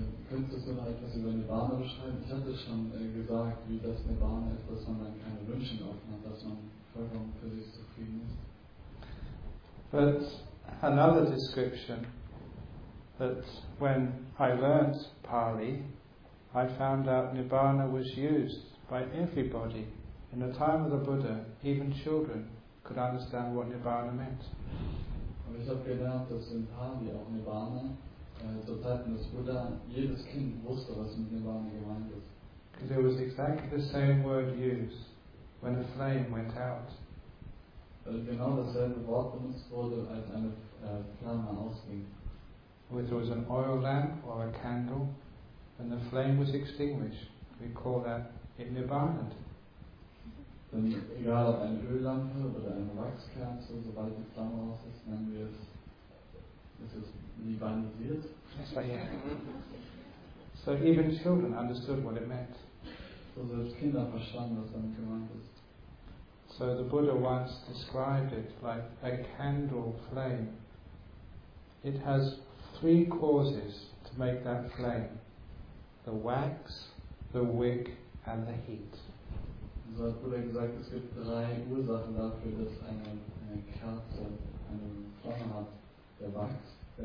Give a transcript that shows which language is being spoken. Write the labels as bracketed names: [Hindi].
[German] Könntest du noch etwas über Nirvana beschreiben? Ich hatte schon gesagt, wie das Nirvana ist, dass man dann keine Wünsche offen hat, dass man vollkommen für sich zufrieden ist. [English] But another description, that when I learned Pali, I found out Nirvana was used by everybody in the time of the Buddha, even children could understand what Nirvana meant. [German] Aber ich habe gelernt, dass in Pali auch Nirvana zur Zeit des Buddha jedes Kind wusste, was mit Nirvana gemeint ist. [English] Because it was exactly the same word used when a flame went out. [German] Weil genau dasselbe Wort benutzt wurde, als eine Flamme ausging. [English] Whether it was an oil lamp or a candle, when the flame was extinguished, we call that it Nirvana. [German] Dann egal ob eine Öllampe oder eine Wachskerze, sobald die Flamme aus ist, nennen wir es. [English] Yes, right, yeah. So even children understood what it meant. [German] So selbst Kinder verstanden, was damit gemeint ist. [English] So the Buddha once described it like a candle flame. It has three causes to make that flame: the wax, the wick, and the heat. [German] So hat Buddha gesagt, es gibt drei Ursachen dafür, dass eine Kerze eine Flamme hat: der Wachs,